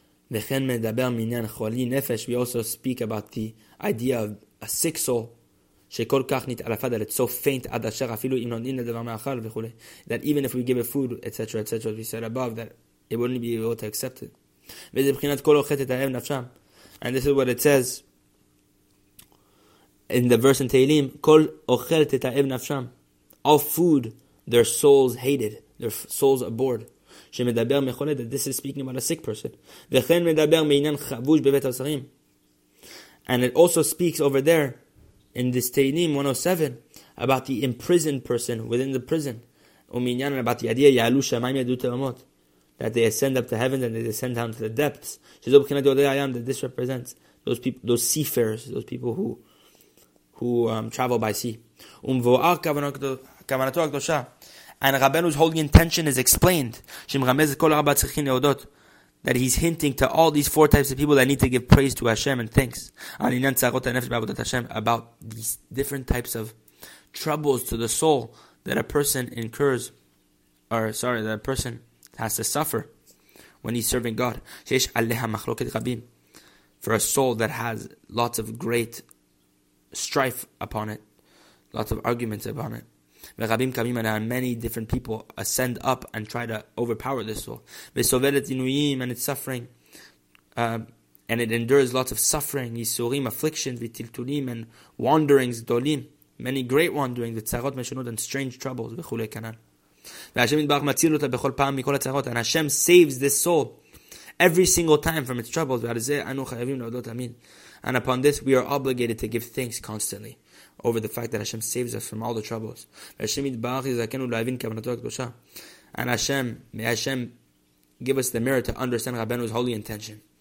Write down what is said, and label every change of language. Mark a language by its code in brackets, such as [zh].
[he] וכן מדבר מעניין חולי נפש, [en] we also speak about the idea of a sick soul, [he] שכל כך נתעלפה דלת, [en] so faint [he] עד אשר אפילו אם נותנים לדבר מאכל וכו', [en] that even if we give a food, etc., etc., as we said above, that it wouldn't be able to accept it. [he] וזה בחינת כל אוכל את הלב נפשם. [en] And this is what it says in the verse in Tehillim, [he] כל אוכל את הלב נפשם. [en] All food, their souls hated, their souls abhorred. [he] שמדבר מחולה, [en] that this is speaking about a sick person. [he] וכן מדבר מעניין חבוש בבית השרים. [en] And it also speaks over there, in this Tehillim 107, about the imprisoned person within the prison. [he] ומעניין [en] about the idea, [he] יעלו שמיים ידעו תהומות. [en] That they ascend up to heaven and they descend down to the depths. [he] שזו בחינת יודעי הים, [en] that this represents those people, those seafarers, those people who travel by sea. [he] ומבואר כוונתו הקדושה. [en] And Rabbeinu's holy intention is explained. [he] שמרמז כל ארבע צריכים להודות. [en] That he's hinting to all these four types of people that need to give praise to Hashem and thanks. [he] על עניין צערות הנפש בעבודת Hashem. [en] About these different types of troubles to the soul that a person incurs, or sorry, that a person has to suffer when he's serving God. [he] שיש עליה מחלוקת רבים. [en] For a soul that has lots of great strife upon it, lots of arguments upon it. [he] ורבים קמים עליה, [en] many different people ascend up and try to overpower this soul. [he] וסובלת עינויים, [en] and it's suffering. And it endures lots of suffering, ייסורים, afflictions, וטלטולים, and wanderings, דולים. Many great wanderings, [he] וצרות משונות, [en] and strange troubles, וכולי כנן. [he] והשם יתברך מציל אותה בכל פעם מכל הצרות, [en] and Hashem saves this soul every single time from its troubles, [he] ועל זה אנו חייבים להודות אמין. [en] And upon this, we are obligated to give thanks constantly over the fact that Hashem saves us from all the troubles. And Hashem, may Hashem give us the merit to understand Rabbeinu's holy intention.